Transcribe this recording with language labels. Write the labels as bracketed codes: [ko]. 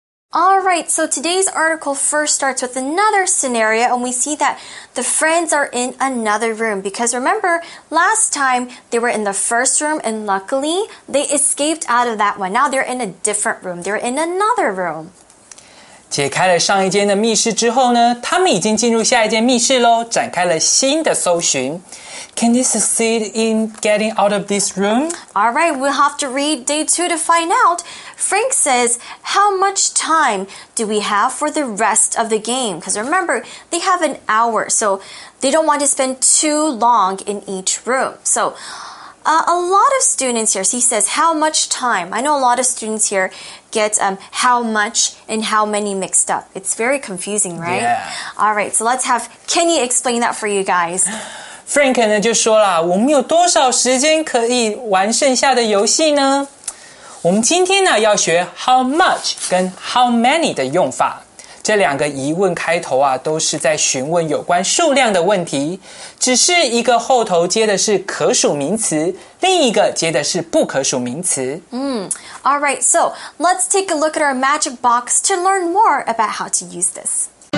[en] All right, so today's article first starts with another scenario, and we see that the friends are in another room. Because remember, last time they were in the first room, and luckily they escaped out of that one. Now they're in a different room. They're in another room. [zh] 解开了上一间的密室之后呢，他们已经进入下一间密室咯，展开了新的搜寻。 [en] Can they succeed in getting out of this room? All right, we'll have to read day two to find out. Frank says, how much time do we have for the rest of the game? Because remember, they have an hour, so they don't want to spend too long in each room. So,a lot of students here, he says, how much time? I know a lot of students here get how much and how many mixed up. It's very confusing, right? Yeah. All right, so let's have Kenny explain that for you guys. [zh] Frank 呢就说了，我们有多少时间可以玩剩下的游戏呢？我们今天呢要学 how much 跟 how many 的用法。这两个疑问开头啊，都是在询问有关数量的问题，只是一个后头接的是可数名词，另一个接的是不可数名词。 [en] All right, so let's take a look at our magic box to learn more about how to use this.